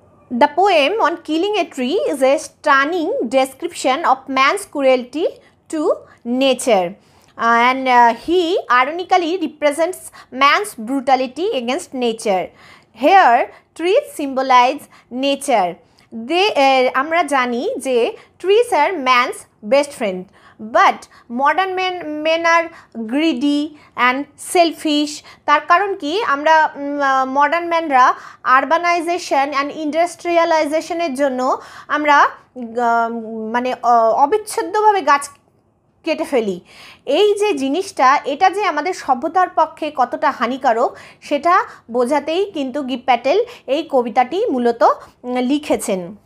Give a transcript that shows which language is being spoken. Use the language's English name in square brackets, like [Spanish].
[English] The poem on killing a tree is a stunning description of man's cruelty to nature, and he ironically represents man's brutality against nature, here tree symbolize nature. [Bangla] আমরা জানি যে [English] Trees are man's best friend, But modern men are greedy and selfish. [Bangla] তার কারণ কি আমরা modern men রা [English] urbanization and industrialization [Bangla] এর জন্য আমরা মানে অবিচ্ছেদ্যভাবে গাছ কেটে ফেলি। এই যে জিনিসটা এটা যে আমাদের সভ্যতার পক্ষে কতটা হানিকারক সেটা বোঝাতেই কিন্তু গিভ প্যাটেল এই কবিতাটি মূলত লিখেছেন।